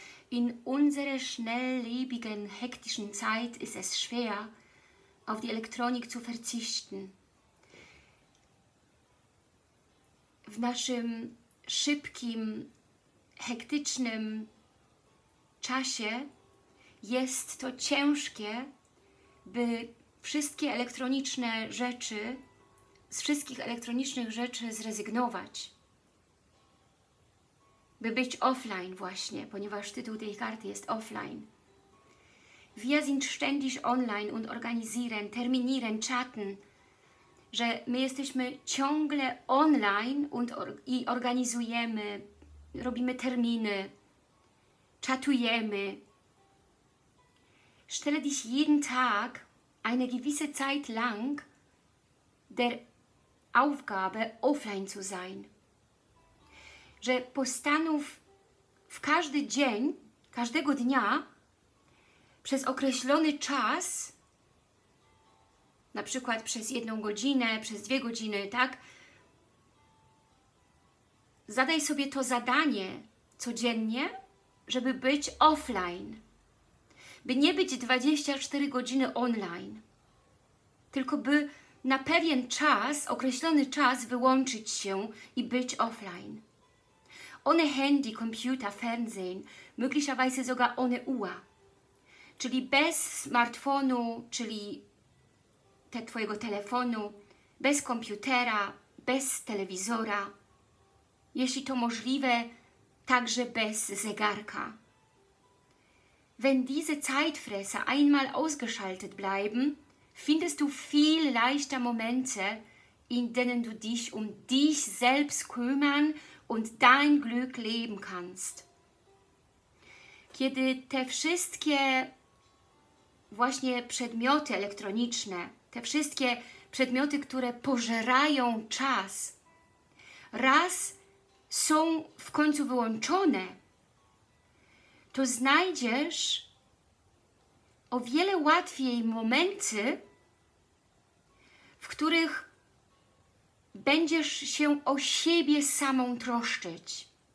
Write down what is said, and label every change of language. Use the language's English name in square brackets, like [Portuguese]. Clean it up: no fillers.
[German] In unserer schnelllebigen, hektischen Zeit ist es schwer, auf die Elektronik zu verzichten. [Polish] W naszym szybkim, hektycznym czasie jest to ciężkie, by wszystkie elektroniczne rzeczy, z wszystkich elektronicznych rzeczy zrezygnować. By być offline właśnie, ponieważ tytuł tej karty jest offline. [German] Wir sind ständig online und organisieren, terminieren, chatten. [Polish] Że my jesteśmy ciągle online und i organizujemy, robimy terminy, czatujemy. [German] Stelle dich jeden Tag eine gewisse Zeit lang der Aufgabe offline zu sein. [Polish] Że postanów w każdy dzień, każdego dnia, przez określony czas, na przykład przez jedną godzinę, przez dwie godziny, tak? Zadaj sobie to zadanie codziennie, żeby być offline. By nie być 24 godziny online. Tylko by na pewien czas, określony czas, wyłączyć się i być offline. [German] Ohne Handy, Computer, Fernsehen, möglicherweise sogar ohne Uhr. [Polish] Czyli bez smartfonu, czyli twojego telefonu, bez komputera, bez telewizora. Jeśli to możliwe, także bez zegarka. [German] Wenn diese Zeitfresser einmal ausgeschaltet bleiben, findest du viel leichter Momente, in denen du dich um dich selbst kümmern und dein Glück leben kannst. [Polish] Kiedy te wszystkie właśnie przedmioty elektroniczne, te wszystkie przedmioty, które pożerają czas, raz są w końcu wyłączone, to znajdziesz o wiele łatwiej momenty, w których będziesz się o siebie samą troszczyć